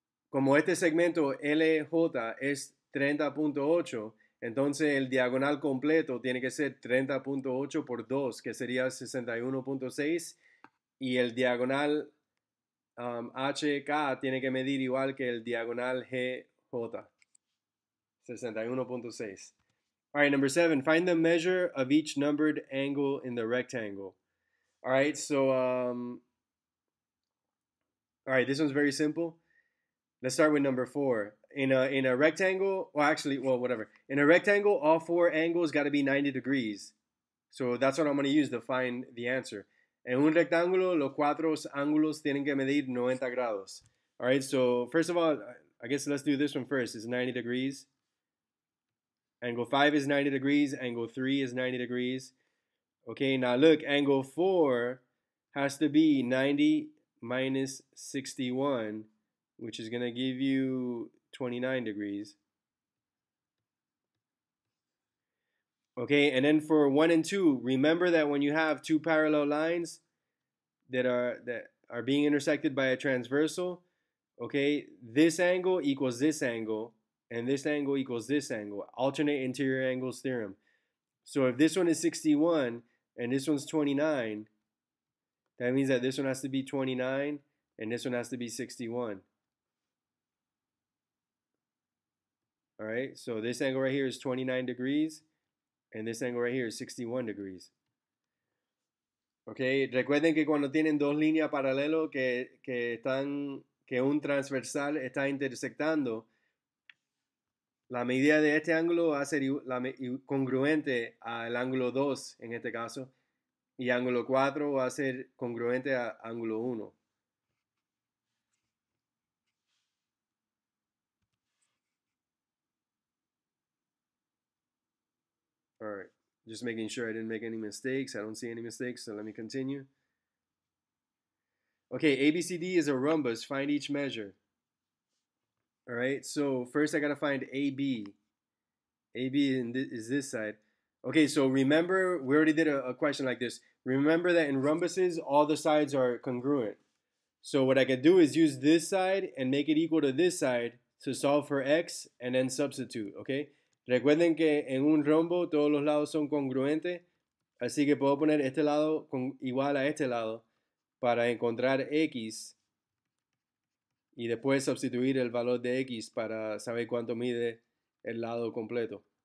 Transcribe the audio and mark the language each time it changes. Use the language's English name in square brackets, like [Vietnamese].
[Spanish] Como este segmento LJ es 30.8, entonces el diagonal completo tiene que ser 30.8 por 2, que sería 61.6. Y el diagonal HK tiene que medir igual que el diagonal GJ, 61.6. [English] All right, number 7, find the measure of each numbered angle in the rectangle. All right, this one's very simple. Let's start with number 4. In a rectangle, In a rectangle, all four angles got to be 90 degrees. So that's what I'm going to use to find the answer. [Spanish] En un rectángulo, los cuatro ángulos tienen que medir 90 grados. [English] All right, so first of all, I guess let's do this one first. It's 90 degrees. Angle 5 is 90 degrees. Angle 3 is 90 degrees. Okay, now look, angle 4 has to be 90 minus 61, which is going to give you 29 degrees. Okay, and then for 1 and 2, remember that when you have two parallel lines that are being intersected by a transversal, okay, this angle equals this angle, and this angle equals this angle, alternate interior angles theorem. So if this one is 61 and this one's 29, that means that this one has to be 29 and this one has to be 61. All right, so this angle right here is 29 degrees, and this angle right here is 61 degrees. [Spanish] Okay, recuerden que cuando tienen dos líneas paralelas que un transversal está intersectando, la medida de este ángulo va a ser congruente al ángulo 2 en este caso, y ángulo 4 va a ser congruente al ángulo 1. [English] All right, just making sure I didn't make any mistakes. I don't see any mistakes, so let me continue. Okay, ABCD is a rhombus. Find each measure. All right, so first I got to find AB. AB is this side. Okay, so remember, we already did a question like this. Remember that in rhombuses, all the sides are congruent. So what I could do is use this side and make it equal to this side to solve for x and then substitute, okay? [Spanish] Recuerden que en un rombo todos los lados son congruentes, así que puedo poner este lado con igual a este lado para encontrar x y después sustituir el valor de x para saber cuánto mide el lado completo.